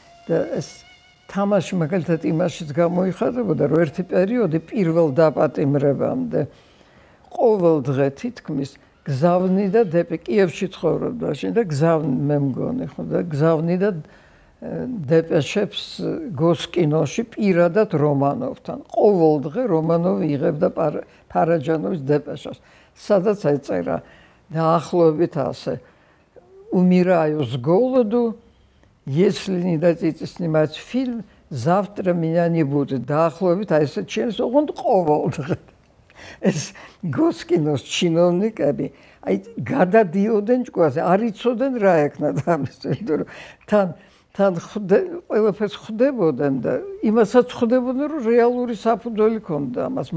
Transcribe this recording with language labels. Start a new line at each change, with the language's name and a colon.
Georgian: და ეს თამაში მაგალითად იმაშიც გამოიხატებოდა, რომ ერთი პერიოდი პირველ დაპატიმრებამდე ყოველ დღე თითქმის გზავნიდა დეპი, კიევში ცხოვრობდა შენ და გზავნი, მე მგონი ხო, და გზავნიდა დეპეშებს გოსკინოში პირადად რომანოვთან. ყოველ დღე რომანოვი იღებდა ფარაჯანოვის დეპეშას, სადაც ეწერა დაახლოებით ასე.
Russian: Умираю с голоду, если не дадите снимать фильм, завтра меня не будет.
Georgian: Დაახლოებით აი ესე ჩემს ოღონდ ყოველდღეს. Ეს გოსკინოს ჩინოვნიკები აი გადადიოდნენ ჭკუაზე, არ იცოდნენ რა ექნათ ამის, იმიტომ რომ თან ყველაფერს ხვდებოდნენ და იმასაც ხვდებოდნენ, რომ რეალური საფუძველი ჰქონდა ამას.